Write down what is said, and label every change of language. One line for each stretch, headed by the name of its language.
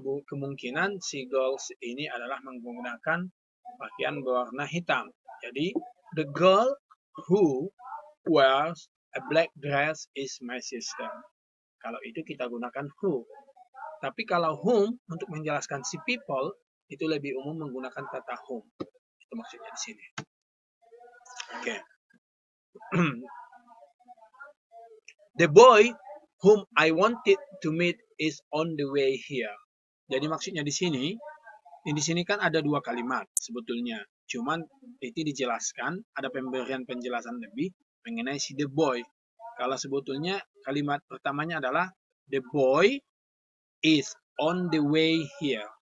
Indonesian: Kemungkinan si girl ini adalah menggunakan pakaian berwarna hitam.
English: Jadi the girl who wears a black dress is my sister.
Indonesian: Kalau itu kita gunakan who. Tapi kalau whom untuk menjelaskan si people itu lebih umum menggunakan kata whom. Itu maksudnya di sini. Oke. Okay.
English: The boy whom I wanted to meet is on the way here.
Indonesian: Jadi maksudnya di sini, ini di sini kan ada dua kalimat sebetulnya. Cuman itu dijelaskan ada pemberian penjelasan lebih mengenai si the boy. Kalau sebetulnya kalimat pertamanya adalah
English: the boy is on the way here.